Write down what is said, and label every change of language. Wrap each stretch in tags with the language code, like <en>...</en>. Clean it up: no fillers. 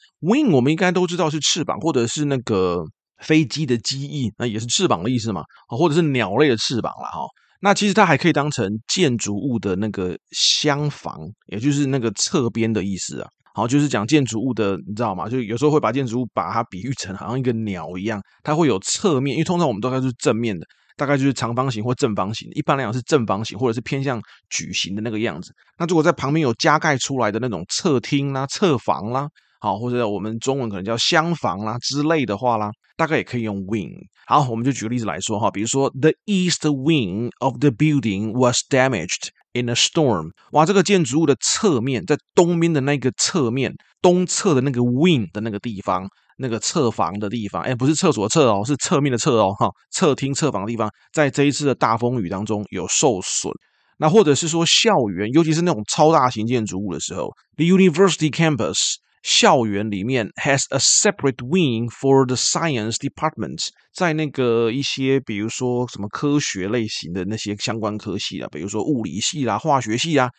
<zh>wing 我们应该都知道是翅膀，或者是那个飞机的机翼，那也是翅膀的意思嘛，或者是鸟类的翅膀啦，那其实它还可以当成建筑物的那个厢房，也就是那个侧边的意思啊，好，就是讲建筑物的，你知道吗？就有时候会把建筑物把它比喻成好像一个鸟一样，它会有侧面，因为通常我们都是正面的，大概就是长方形或正方形，一般来讲是正方形或者是偏向矩形的那个样子。那如果在旁边有加盖出来的那种侧厅啦、侧房啦，好，或者我们中文可能叫厢房啦之类的话啦，大概也可以用 wing。好，我们就举个例子来说哈，比如说</zh> <en>The east wing of the building was damaged in a storm。</en> <zh>哇，这个建筑物的侧面，在东边的那个侧面，东侧的那个 wing 的那个地方，那个侧房的地方，不是厕所的厕哦，是侧面的侧哦，哈，侧厅侧房的地方，在这一次的大风雨当中有受损。那或者是说校园，尤其是那种超大型建筑物的时候，</zh> <en>The university campus</en> <zh>校园里面</zh> <en>has a separate wing for the science department，</en> <zh>在那个一些比如说什么科学类型的那些相关科系啦，比如说物理系啦、化学系啊，</zh>